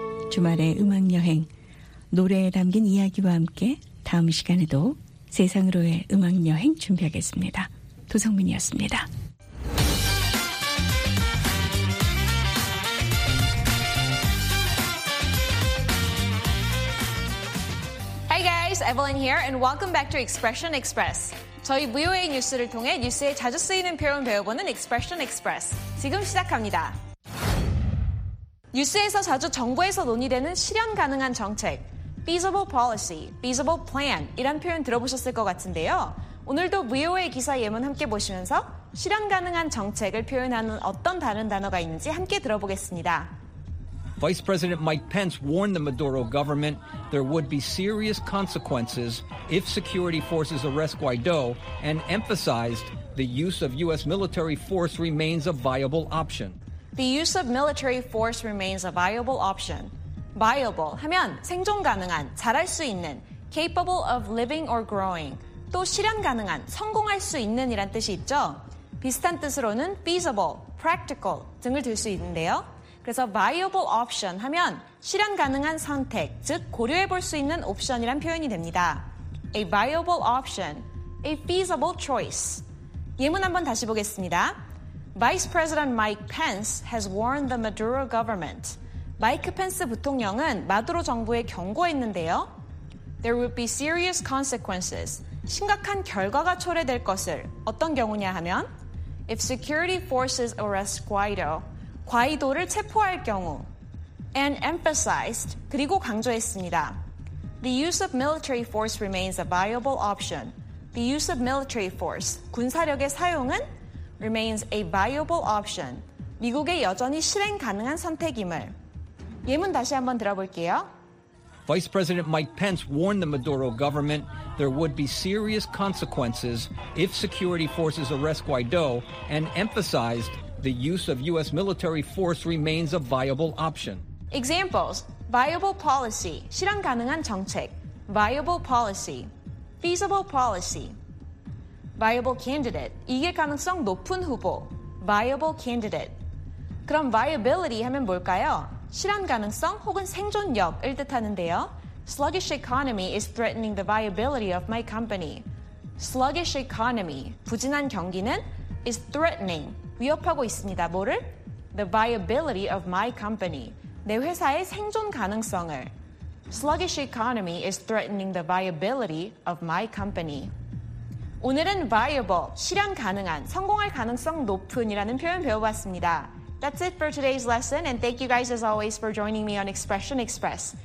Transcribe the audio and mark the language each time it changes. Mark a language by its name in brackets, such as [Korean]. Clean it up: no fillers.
[Korean] 주말의 음악여행, 노래에 담긴 이야기와 함께 다음 시간에도 세상으로의 음악여행 준비하겠습니다. 도성민이었습니다. [English] Hi guys, Evelyn here and welcome back to Expression Express. [Korean] 저희 VOA 뉴스를 통해 뉴스에 자주 쓰이는 표현 배워보는 Expression Express. 지금 시작합니다. 뉴스에서 자주 정부에서 논의되는 실현 가능한 정책, [English] feasible policy, feasible plan [Korean] 이런 표현 들어보셨을 것 같은데요. 오늘도 VOA 기사 예문 함께 보시면서 실현 가능한 정책을 표현하는 어떤 다른 단어가 있는지 함께 들어보겠습니다. [English] Vice President Mike Pence warned the Maduro government there would be serious consequences if security forces arrest Guaido and emphasized the use of U.S. military force remains a viable option. The use of military force remains a viable option. [Korean] Viable 하면 생존 가능한, 잘할 수 있는, [English] capable of living or growing, [Korean] 또 실현 가능한, 성공할 수 있는 이란 뜻이 있죠. 비슷한 뜻으로는 feasible, practical 등을 들 수 있는데요. 그래서 viable option 하면 실현 가능한 선택, 즉 고려해 볼 수 있는 옵션이란 표현이 됩니다. [English] A viable option, a feasible choice. [Korean] 예문 한번 다시 보겠습니다. [English] Vice President Mike Pence has warned the Maduro government. [Korean] 마이크 펜스 부통령은 마두로 정부에 경고했는데요. [English] There would be serious consequences. [Korean] 심각한 결과가 초래될 것을 어떤 경우냐 하면 [English] If security forces arrest Guaido, [Korean] 과이도를 체포할 경우 [English] And emphasized, [Korean] 그리고 강조했습니다. [English] The use of military force remains a viable option. The use of military force, [Korean] 군사력의 사용은 [English] remains a viable option. [Korean] 미국의 여전히 실행 가능한 선택임을. 예문 다시 한번 들어볼게요. [English] Vice President Mike Pence warned the Maduro government there would be serious consequences if security forces arrest Guaido and emphasized the use of U.S. military force remains a viable option. Examples, viable policy, [Korean] 실현 가능한 정책, [English] viable policy, feasible policy, viable candidate, [Korean] 이게 가능성 높은 후보, [English] viable candidate. [Korean] 그럼 viability 하면 뭘까요? 실현 가능성 혹은 생존력을 뜻하는데요. [English] Sluggish economy is threatening the viability of my company. Sluggish economy, [Korean] 부진한 경기는 [English] is threatening, [Korean] 위협하고 있습니다. 뭐를? [English] The viability of my company. [Korean] 내 회사의 생존 가능성을. [English] Sluggish economy is threatening the viability of my company. [Korean] 오늘은 viable, 실현 가능한, 성공할 가능성 높은이라는 표현 배워봤습니다. [English] That's it for today's lesson, and thank you guys as always for joining me on Expression Express.